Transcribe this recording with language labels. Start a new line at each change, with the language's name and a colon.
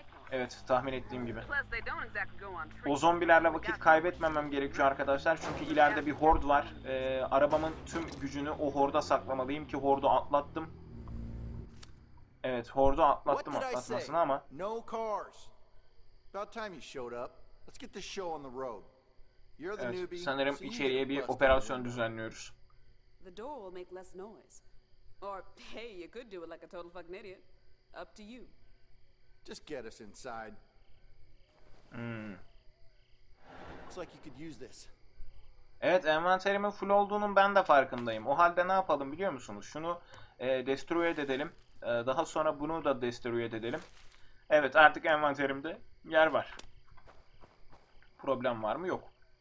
Turkish: Evet, tahmin ettiğim gibi. O zombilerle vakit kaybetmemem gerekiyor arkadaşlar. Çünkü ileride bir horde var. Arabamın tüm gücünü o horde'a saklamalıyım ki horde'u atlattım. Evet, horde'u atlattım atlatmasını ama.
English: No cars. About time you showed up. Let's get the show on the road. You're the newbie.
Turkish: Evet, sanırım içeriye bir operasyon düzenliyoruz.
English: The door will make less noise. Or hey, you could do it like a total fucking idiot. Up to you. Just get us inside. Looks like you could use this.
Turkish: Evet, envanterimin full olduğunun ben de farkındayım. O halde ne yapalım biliyor musunuz? Şunu destroy edelim. Daha sonra bunu da destroy edelim. Evet, artık envanterimde yer var. Problem var mı? Yok.